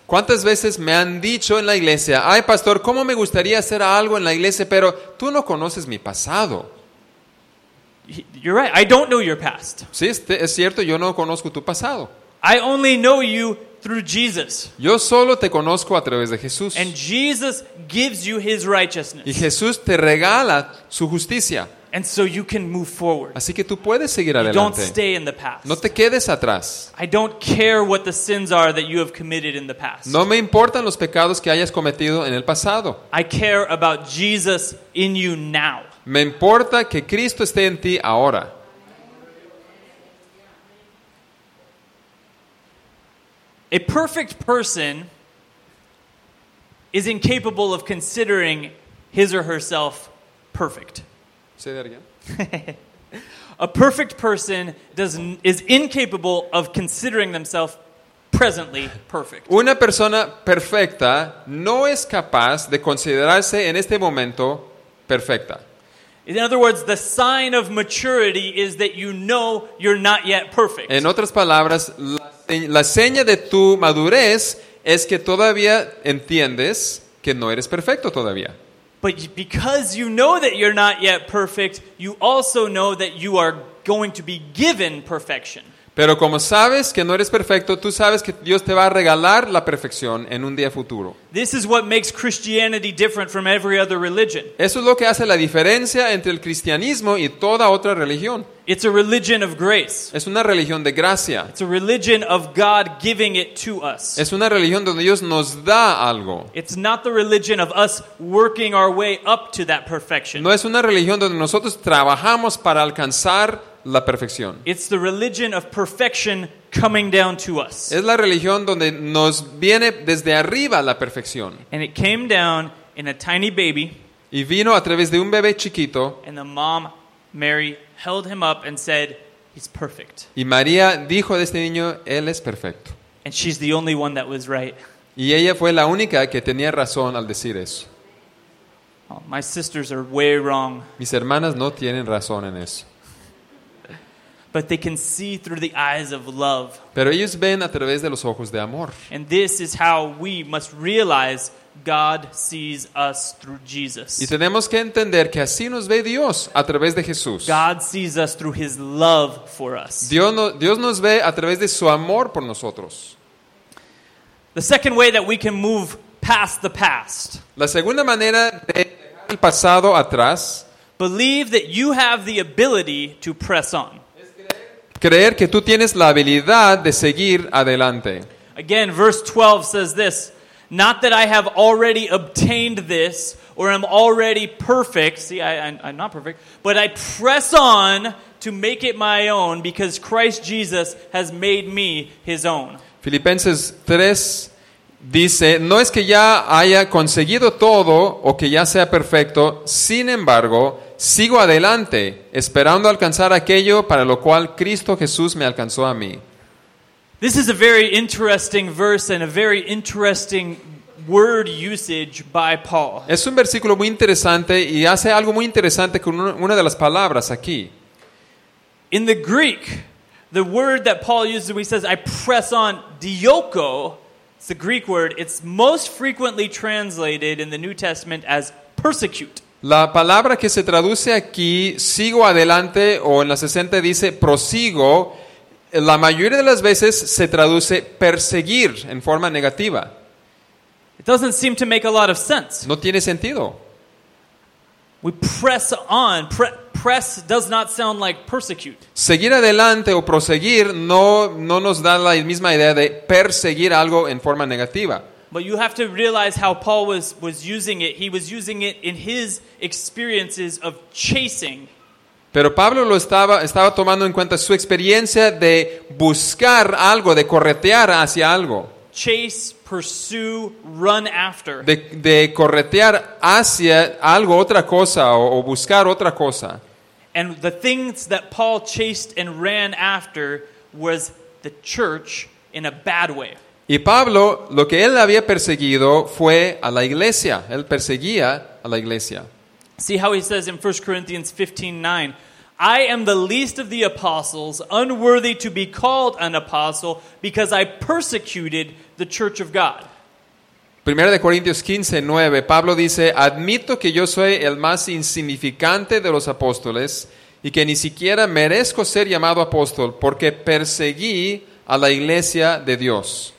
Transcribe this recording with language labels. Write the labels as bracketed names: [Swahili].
[Spanish] ¿Cuántas veces me han dicho en la iglesia, "Ay, pastor, cómo me gustaría hacer algo en la iglesia, pero tú no conoces mi pasado"? [English] You're right. I don't know your past. [Spanish] Sí, es cierto, yo no conozco tu pasado. [English] I only know you through Jesus. [Spanish] Yo solo te conozco a través de Jesús. [English] And Jesus gives you his righteousness. [Spanish] Y Jesús te regala su justicia. [English] And so you can move forward. [Spanish] Así que tú puedes seguir adelante. [English] You don't stay in the past. [Spanish] No te quedes atrás. [English] I don't care what the sins are that you have committed in the past. [Spanish] No me importan los pecados que hayas cometido en el pasado. [English] I care about Jesus in you now. [Spanish] Me importa que Cristo esté en ti ahora. [English] A perfect person is incapable of considering his or herself perfect. Say that again. A perfect person is incapable of considering themselves presently perfect. [Spanish] Una persona perfecta no es capaz de considerarse en este momento perfecta. [English] In other words, the sign of maturity is that you know you're not yet perfect. [Spanish] En otras palabras, la seña de tu madurez es que todavía entiendes que no eres perfecto todavía. [English] But because you know that you're not yet perfect, you also know that you are going to be given perfection. [Spanish] Pero como sabes que no eres perfecto, tú sabes que Dios te va a regalar la perfección en un día futuro. [English] This is what makes Christianity different from every other religion. [Spanish] Eso es lo que hace la diferencia entre el cristianismo y toda otra religión. [English] It's a religion of grace. [Spanish] Es una religión de gracia. [English] It's a religion of God giving it to us. [Spanish] Es una religión donde Dios nos da algo. [English] It's not the religion of us working our way up to that perfection. [Spanish] No es una religión donde nosotros trabajamos para alcanzar la perfección. [English] It's the religion of perfection coming down to us. [Spanish] Es la religión donde nos viene desde arriba la perfección. [English] And it came down in a tiny baby. [Spanish] Y vino a través de un bebé chiquito. [English] And the mom, Mary, held him up and said, "He's perfect." [Spanish] Y María dijo de este niño, "Él es perfecto." [English] And she's the only one that was right. [Spanish] Y ella fue la única que tenía razón al decir eso. [English] Oh, my sisters are way wrong. [Spanish] Mis hermanas no tienen razón en eso. [English] But they can see through the eyes of love. [Spanish] Pero ellos ven a través de los ojos de amor. [English] And this is how we must realize God sees us through Jesus. [Spanish] Y tenemos que entender que así nos ve Dios a través de Jesús. [English] God sees us through His love for us. [Spanish] Dios nos ve a través de su amor por nosotros. [English] The second way that we can move past the past. [Spanish] La segunda manera de dejar el pasado atrás. [English] Believe that you have the ability to press on. [Spanish] Creer que tú tienes la habilidad de seguir adelante. [English] Again, verse 12 says this. Not that I have already obtained this or am already perfect. See, I'm not perfect. But I press on to make it my own because Christ Jesus has made me His own. [Spanish] Filipenses 3 dice, no es que ya haya conseguido todo o que ya sea perfecto. Sin embargo, sigo adelante esperando alcanzar aquello para lo cual Cristo Jesús me alcanzó a mí. [English] This is a very interesting verse and a very interesting word usage by Paul. [Spanish] Es un versículo muy interesante y hace algo muy interesante con una de las palabras aquí. [English] In the Greek, the word that Paul uses when he says, I press on, dioko, it's the Greek word, it's most frequently translated in the New Testament as persecute. [Spanish] La palabra que se traduce aquí, sigo adelante, o en la 60 dice prosigo, la mayoría de las veces se traduce perseguir en forma negativa. [English] It doesn't seem to make a lot of sense. [Spanish] No tiene sentido. [English] We press on. Press does not sound like persecute. [Spanish] Seguir adelante o proseguir no nos da la misma idea de perseguir algo en forma negativa. [English] But you have to realize how Paul was using it. He was using it in his experiences of chasing. [Spanish] Pero Pablo lo estaba tomando en cuenta su experiencia de buscar algo, de corretear hacia algo. [English] Chase, pursue, run after. [Spanish] De corretear hacia algo, otra cosa, o buscar otra cosa. [English] And the things that Paul chased and ran after was the church in a bad way. [Spanish] Y Pablo, lo que él había perseguido fue a la iglesia. Él perseguía a la iglesia. [English] See how he says in 1 Corinthians 15:9, I am the least of the apostles, unworthy to be called an apostle, because I persecuted the church of God. [Spanish] 1 Corinthians 15:9, Pablo dice, admito que yo soy el más insignificante de los apóstoles, y que ni siquiera merezco ser llamado apóstol, porque perseguí a la iglesia de Dios.